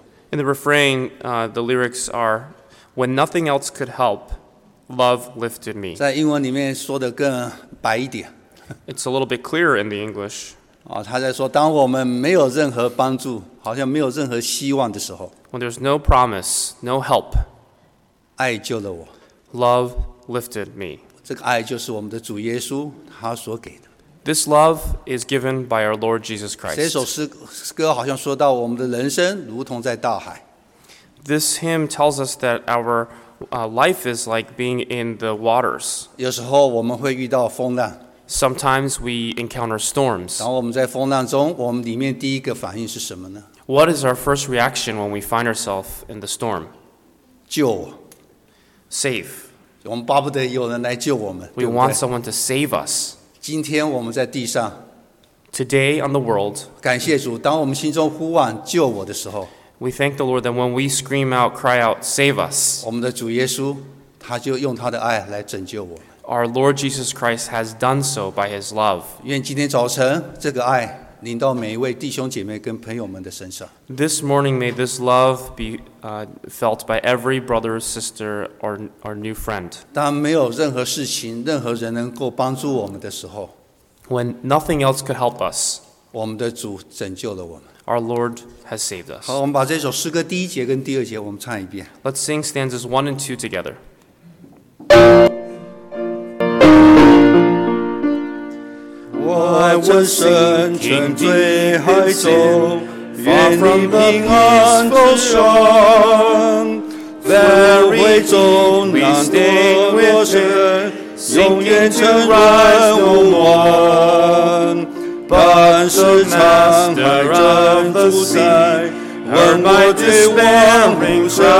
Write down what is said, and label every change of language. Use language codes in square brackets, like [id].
[en] In the refrain, the lyrics are, "When nothing else could help, love lifted me." [zh] 在英文里面说的更白一点。 [en] It's a little bit clearer in the English. [zh] 他在说，当我们没有任何帮助，好像没有任何希望的时候。 [en] When there's no promise, no help. [zh] 爱救了我。 [en] Love lifted me. [zh] 这个爱就是我们的主耶稣他所给的。 [en] This love is given by our Lord Jesus Christ. [zh] 这首诗歌好像说到我们的人生如同在大海。 [en] This hymn tells us that our life is like being in the waters. [zh] 有时候我们会遇到风浪。 [en] Sometimes we encounter storms. [zh] 然后我们在风浪中，我们里面第一个反应是什么呢？ [en] What is our first reaction when we find ourselves in the storm? [zh] 救我。 [en] Save. [zh] 我们巴不得有人来救我们。 [en] We want someone to save us. [zh] 今天我们在地上。 [en] Today on the world. [zh] 感谢主，当我们心中呼唤救我的时候。 [en] We thank the Lord that when we scream out, cry out, save us. [zh] 我们的主耶稣，他就用他的爱来拯救我们。 [en] Our Lord Jesus Christ has done so by his love. [zh] 愿今天早晨这个爱临到每一位弟兄姐妹跟朋友们的身上。 [en] This morning may this love be felt by every brother, sister, or new friend. [zh] 当没有任何事情、任何人能够帮助我们的时候 [en] ，When nothing else could help us, [zh] 我们的主拯救了我们。 [en] Our Lord has saved us. [zh] 好，我们把这首诗歌第一节跟第二节我们唱一遍。 [en] Let's sing stanzas 1 and 2 together. I was in the high zone, far from the peaceful shore. There we don't stay with it, [zh] 永远成为我们。半生长的人不在，而麦子变红山。